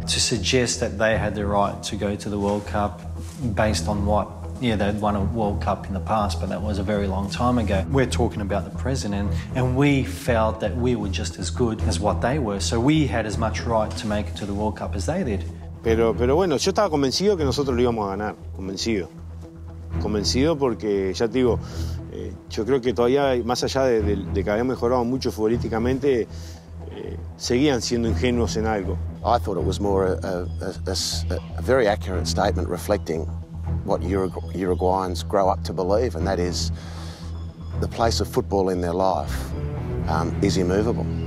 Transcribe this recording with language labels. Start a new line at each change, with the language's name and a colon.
English: To suggest that they had the right to go to the World Cup based on what? Yeah, they'd won a World Cup in the past, but that was a very long time ago. We're talking about the present, and we felt that we were just as good as what they were, so we had as much right to make it to the World Cup as they did.
Spanish: Pero bueno, yo estaba convencido que nosotros lo íbamos a ganar. Convencido. Convencido porque, ya te digo, yo creo que todavía, más allá de que habíamos mejorado mucho futbolísticamente, seguían siendo ingenuos en algo.
English: I thought it was more a very accurate statement reflecting what Uruguayans grow up to believe, and that is the place of football in their life is immovable.